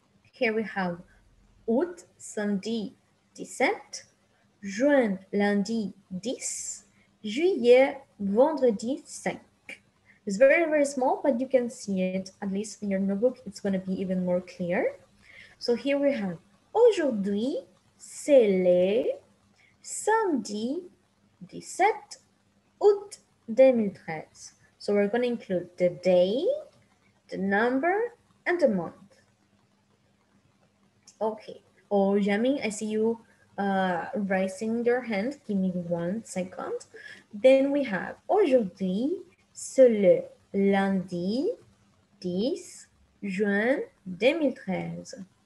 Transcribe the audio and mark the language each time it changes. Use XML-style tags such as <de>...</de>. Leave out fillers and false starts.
<en>Here we have août, samedi 17.</en> <fr>Juin, lundi 10. Juillet, vendredi 5.</fr> <en>It's very, very small, but you can see it, at least in your notebook, it's going to be even more clear. So here we have,</en> <fr>aujourd'hui, c'est le samedi 17 août 2013.</fr> <en>So we're going to include the day, the number, and the month. Okay. Oh, Yami, I see you raising your hand. Give me 1 second. Then we have,</en> <fr>aujourd'hui, c'est le lundi 10 juin 2013.</fr>